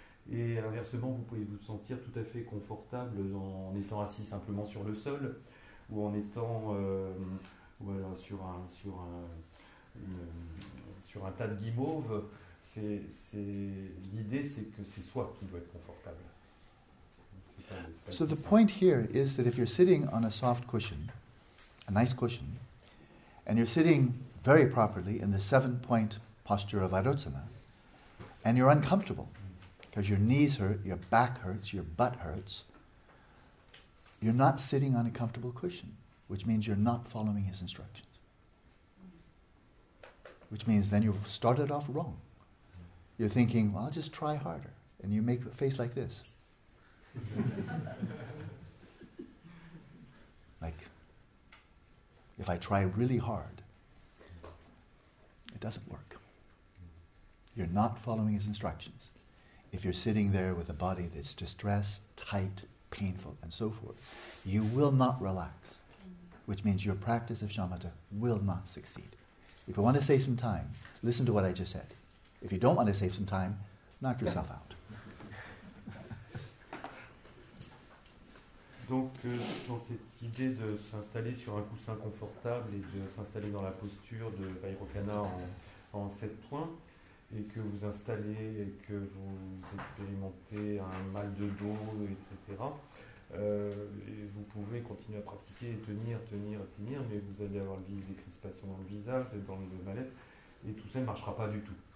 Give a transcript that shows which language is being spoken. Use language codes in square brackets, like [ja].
[fr] Et inversement, vous pouvez vous sentir tout à fait confortable en étant assis simplement sur le sol, ou en étant sur un tas de guimauves. L'idée, c'est que c'est soi qui doit être confortable. [en] So the point here is that if you're sitting on a soft cushion, a nice cushion, and you're sitting very properly in the seven-point posture of Arotsana, and you're uncomfortable because your knees hurt, your back hurts, your butt hurts, you're not sitting on a comfortable cushion, which means you're not following his instructions. Which means then you've started off wrong. You're thinking, well, I'll just try harder. And you make a face like this. Like, if I try really hard, it doesn't work. You're not following his instructions. If you're sitting there with a body that's distressed, tight, painful, and so forth, you will not relax. which means your practice of shamatha will not succeed. If you want to save some time, listen to what I just said. If you don't want to save some time, knock yourself out. [fr] Donc, dans cette idée de s'installer sur un coussin confortable et de s'installer dans la posture de Vairocana en sept points, et que vous installez et que vous expérimentez un mal de dos, etc., et vous pouvez continuer à pratiquer et tenir, mais vous allez avoir des crispations dans le visage, dans le mal-être, et tout ça ne marchera pas du tout.